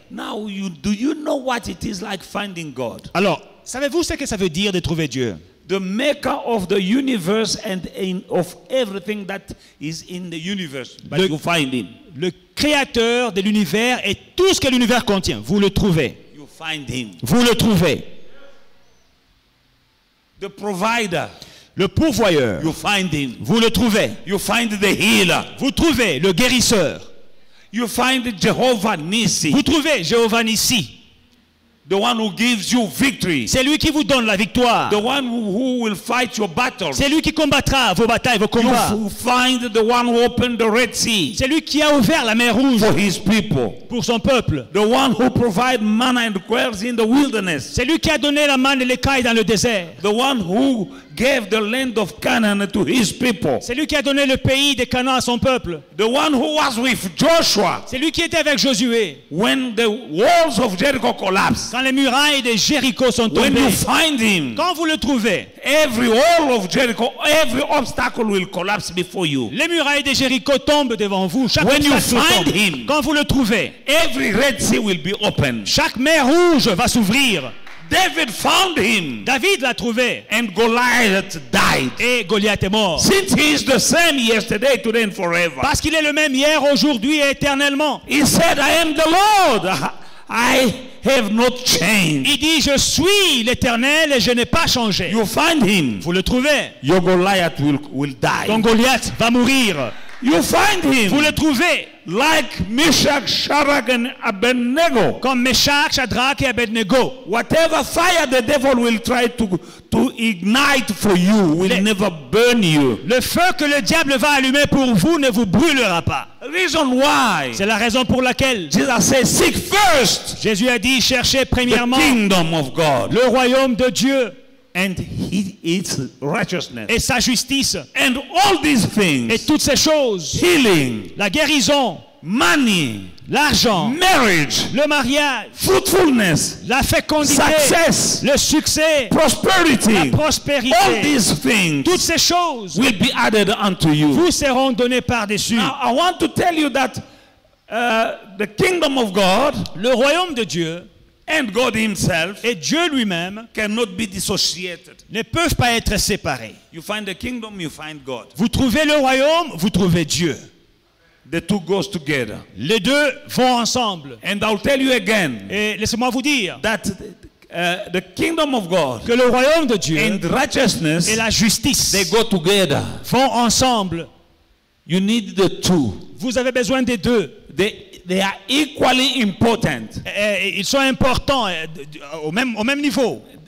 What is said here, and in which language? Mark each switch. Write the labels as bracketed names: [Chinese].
[English] Now you, do you know what it is like finding God? [French] Alors, savez-vous ce que ça veut dire de trouver Dieu? [English] The maker of the universe and in, of everything that is in the universe, but you find him. [French] Le créateur de l'univers et tout ce que l'univers contient, vous le trouvez. [English] You find him. [French] Vous le trouvez. [English] The provider. [French] Le pourvoyeur, [English] you find him. [French] Vous le trouvez. [English] You find the healer. [French] Vous trouvez le guérisseur. [English] You find Jehovah Nissi. [French] Vous trouvez Jéhovah Nissi. [English] The one who gives you victory. [French] C'est lui qui vous donne la victoire. [English] The one who will fight your battles. [French] C'est lui qui combattra vos batailles, vos combats. [English] You find the one who opened the Red Sea. [French] C'est lui qui a ouvert la mer Rouge. [English] For his people. [French] Pour son peuple. [English] The one who provides manna and quails in the wilderness. [French] C'est lui qui a donné la manne et l'écaille dans le désert. [English] The one who gave the land of Canaan to his people. [French] C'est lui qui a donné le pays de Canaan à son peuple. [English] The one who was with Joshua. [French] C'est lui qui était avec Josué. [English] When the walls of Jericho collapsed. [French] Quand les murailles de Jéricho sont tombées. [English] When you find him. [French] Quand vous le trouvez. [English] Every wall of Jericho, every obstacle will collapse before you. [French] Les murailles de Jéricho tombent devant vous. Chaque [English] when you find him. [French] Quand vous le trouvez. [English] Every Red Sea will be open. [French] Chaque mer rouge va s'ouvrir. [English] David found him. [French] David l'a trouvé. [English] And Goliath died. [French] Et Goliath est mort. [English] Since he is the same yesterday, today, and forever. [French] Parce qu'il est le même hier, aujourd'hui et éternellement. [English] He said, "I am the Lord. I have not changed." [French] Il dit, je suis l'Éternel et je n'ai pas changé. [English] You find him. [French] Vous le trouvez. [English] Your Goliath will die. [French] Ton Goliath va mourir. [English] You find him. [French] Vous le trouvez. [English] Like Meshach, Shadrach, and Abednego. [French] Comme Meshach, Shadrach et Abednego. [English] Whatever fire the devil will try to ignite for you will never burn you. [French] Le feu que le diable va allumer pour vous ne vous brûlera pas. [English] Reason why? [French] C'est la raison pour laquelle. [English] Jesus said, "Seek first." [French] Jésus a dit, cherchez premièrement. [English] The kingdom of God. [French] Le royaume de Dieu. [English] And his righteousness. [French] Et sa justice. [English] And all these things. [French] Et toutes ces choses. [English] Healing. [French] La guérison. [English] Money. [French] L'argent. [English] Marriage. [French] Le mariage. [English] Fruitfulness. [French] La fécondité. [English] Success. [French] Le succès. [English] Prosperity. [French] La prospérité. [English] All these things. [French] Toutes ces choses. [English] Will be added unto you. [French] Vous seront données par-dessus. [English] Now, I want to tell you that the kingdom of God. [French] Le royaume de Dieu. [English] And God himself [French] et Dieu lui-même [English] cannot be dissociated. [French] Ne peuvent pas être séparés. [English] You find the kingdom, you find God. [French] Vous trouvez le royaume, vous trouvez Dieu. [English] The two goes together. [French] Les deux vont ensemble. [English] And I'll tell you again [French] et laissez-moi vous dire [English] that the kingdom of God [French] que le royaume de Dieu [English] and righteousness [French] et la justice [English] they go together. [French] Vont ensemble. [English] You need the two. [French] Vous avez besoin des deux. [English] They are equally important. [French] Ils sont importants au même niveau.